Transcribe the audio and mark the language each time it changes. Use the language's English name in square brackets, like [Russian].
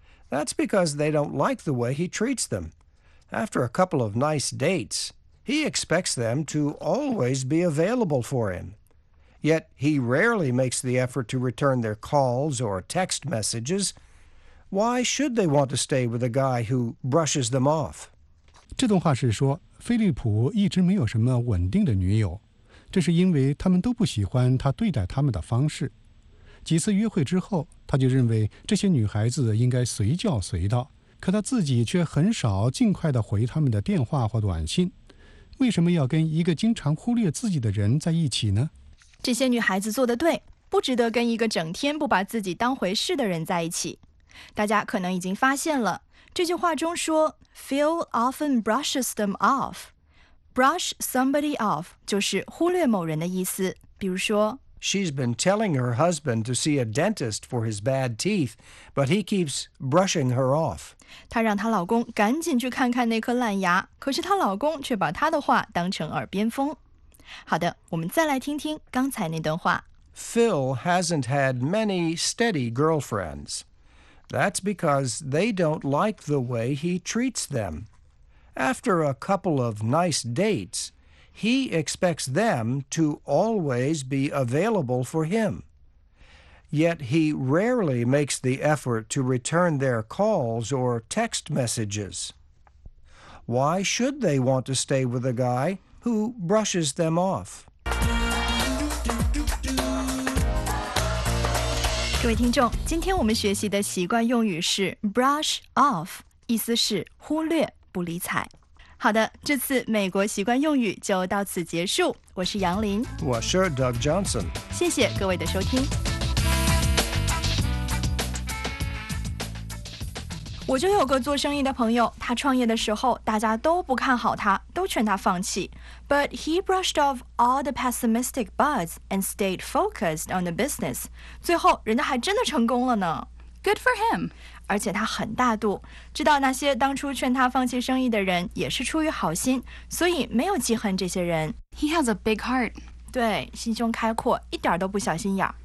[English] That's because they don't like the way he treats them. After a couple of nice dates, he expects them to always be available for him. Yet he rarely makes the effort to return their calls or text messages. Why should they want to stay with a guy who brushes them off? [Chinese] 这段话是说，菲利普一直没有什么稳定的女友，这是因为他们都不喜欢他对待他们的方式。几次约会之后，他就认为这些女孩子应该随叫随到，可他自己却很少尽快地回他们的电话或短信。为什么要跟一个经常忽略自己的人在一起呢？这些女孩子做得对，不值得跟一个整天不把自己当回事的人在一起。大家可能已经发现了，这句话中说 [English] Phil often brushes them off. [Chinese] Brush somebody off 就是忽略某人的意思。比如说 [English] She's been telling her husband to see a dentist for his bad teeth, but he keeps brushing her off. [Chinese] 她让她老公赶紧去看看那颗烂牙，可是她老公却把她的话当成耳边风。好的，我们再来听听刚才那段话。 [English] Phil hasn't had many steady girlfriends. That's because they don't like the way he treats them. After a couple of nice dates, he expects them to always be available for him. Yet he rarely makes the effort to return their calls or text messages. Why should they want to stay with a guy? Who brushes them off? [Chinese] 各位听众，今天我们学习的习惯用语是 brush off， 意思是忽略、不理睬。好的，这次美国习惯用语就到此结束。我是杨林，我是 Doug Johnson。谢谢各位的收听。我就有个做生意的朋友，他创业的时候大家都不看好他，都劝他放弃。 [English] But he brushed off all the pessimistic buzz and stayed focused on the business. [Chinese] 最后人家还真的成功了呢。 [English] Good for him. [Chinese] 而且他很大度，知道那些当初劝他放弃生意的人也是出于好心，所以没有记恨这些人。 [English] He has a big heart. [Chinese] 对，心胸开阔，一点都不小心眼。